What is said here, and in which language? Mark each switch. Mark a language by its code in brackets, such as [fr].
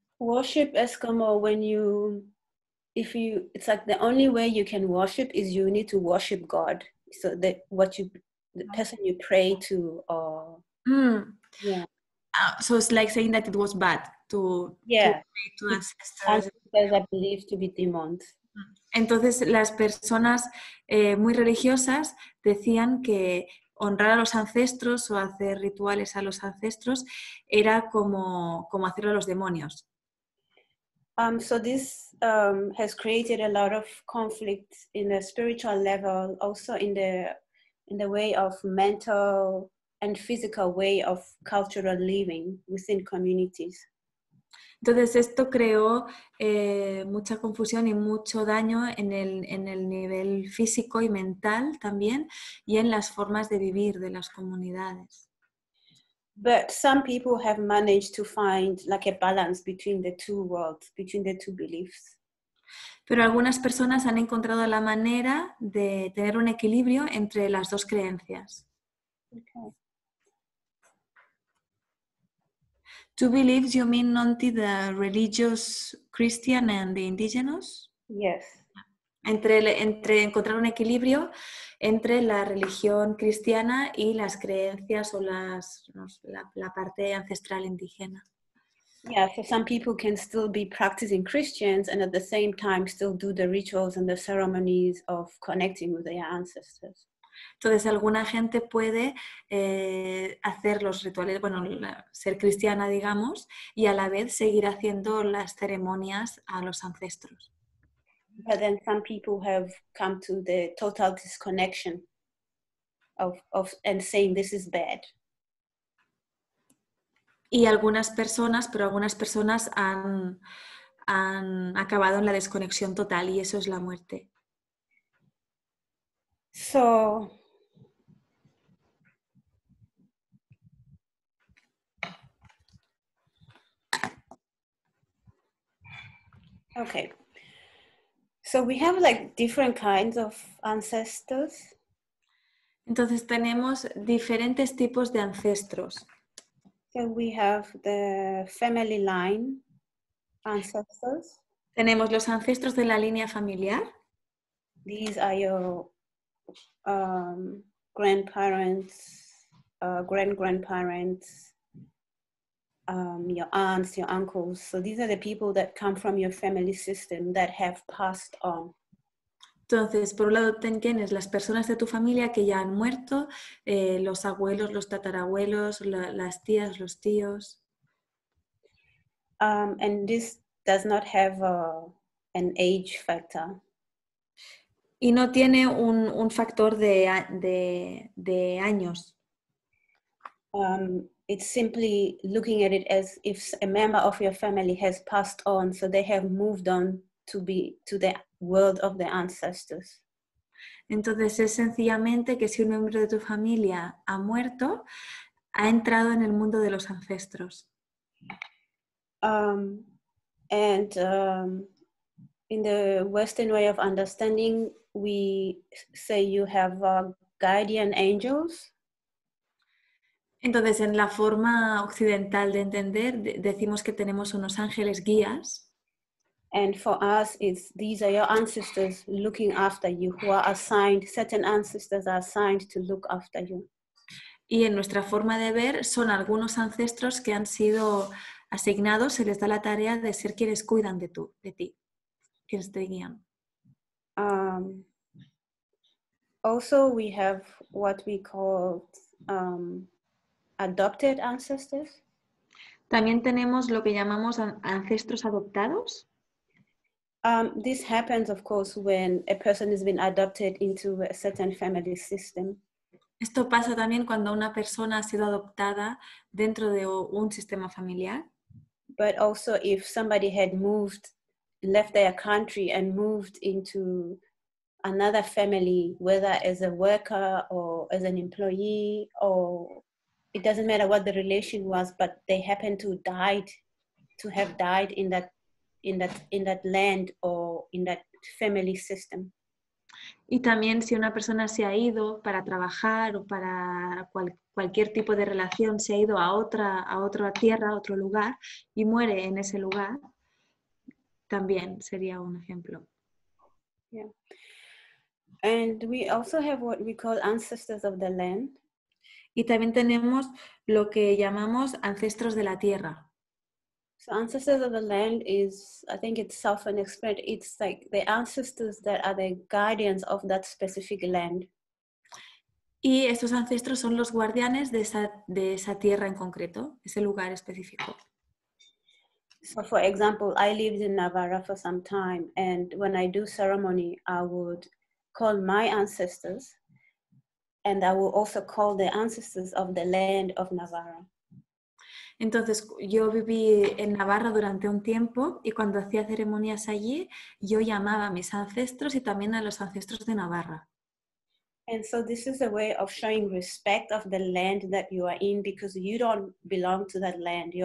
[en] Worship [es] es como [en] when you, if you, it's like the only way you can worship is you need to worship God. So that what you, the person you pray to, or, yeah. So it's like saying that it was bad to, to pray to ancestors. Ancestors are believed to be demons. [es] Entonces las personas muy religiosas decían que honrar a los ancestros o hacer rituales a los ancestros era como, como hacerlo a los demonios. [en] So this has created a lot of conflict in the spiritual level, also in the way of mental and physical way of cultural living within communities. [es] Entonces esto creó mucha confusión y mucho daño en el nivel físico y mental también y en las formas de vivir de las comunidades. [en] But some people have managed to find like a balance between the two worlds, between the two beliefs. [es] Pero algunas personas han encontrado la manera de tener un equilibrio entre las dos creencias. [en] Okay. Two beliefs, you mean, Nonty, the religious Christian and the indigenous? Yes. [es] Entre, entre encontrar un equilibrio entre la religión cristiana y las creencias o las, no, la, la parte ancestral indígena. [en] Yeah, so some people can still be practicing Christians and at the same time still do the rituals and the ceremonies of connecting with their ancestors. [es] Entonces, alguna gente puede hacer los rituales, bueno, la, ser cristiana, digamos, y a la vez seguir haciendo las ceremonias a los ancestros. [en] But then some people have come to the total disconnection of and saying this is bad. [es] Y algunas personas, pero algunas personas han, han acabado en la desconexión total y eso es la muerte. [en] So, okay, so we have like different kinds of ancestors. [es] Entonces tenemos diferentes tipos de ancestros. [en] So we have the family line ancestors. [es] Tenemos los ancestros de la línea familiar. [en] These are your grandparents, great-grandparents, your aunts, your uncles. So these are the people that come from your family system that have passed on. [es] Entonces, por un lado tienes las personas de tu familia que ya han muerto, los abuelos, los tatarabuelos, la, las tías, los tíos. [en] And this does not have an age factor. [es] Y no tiene un factor de años. [en] It's simply looking at it as if a member of your family has passed on, so they have moved on to be to the world of the ancestors. [es] Entonces es sencillamente que si un miembro de tu familia ha muerto, ha entrado en el mundo de los ancestros. [en] In the Western way of understanding, we say you have guardian angels. [es] Entonces, en la forma occidental de entender, decimos que tenemos unos ángeles guías. [en] And for us, it's these are your ancestors looking after you, who are assigned, certain ancestors are assigned to look after you. [es] Y en nuestra forma de ver, son algunos ancestros que han sido asignados se les da la tarea de ser quienes cuidan de tú, de ti, quienes te guían. [en] Also, we have what we call adopted ancestors. [es] También tenemos lo que llamamos ancestros adoptados. [en] This happens, of course, when a person has been adopted into a certain family system. [es] Esto pasa también cuando una persona ha sido adoptada dentro de un sistema familiar. [en] But also if somebody had moved, left their country and moved into another family, whether as a worker or as an employee, or it doesn't matter what the relation was, but they happened to have died in that land or in that family system. [es] Y también si una persona se ha ido para trabajar o para cualquier tipo de relación, se ha ido a otra tierra, a otro lugar, y muere en ese lugar, también sería un ejemplo. [en] Yeah. And we also have what we call ancestors of the land. [es] Y también tenemos lo que llamamos ancestros de la tierra. [en] So ancestors of the land is, I think it's self-explanatory. It's like the ancestors that are the guardians of that specific land. [es] Y estos ancestros son los guardianes de esa tierra en concreto, ese lugar específico. [en] So for example, I lived in Navarra for some time, and when I do ceremony, I would call my ancestors, and I will also call the ancestors of the land of Navarra. [es] Entonces, yo viví en Navarra durante un tiempo y cuando hacía ceremonias allí, yo llamaba a mis ancestros y también a los ancestros de Navarra. [en] And so this is a way of showing respect of the land that you are in because you don't belong to that land.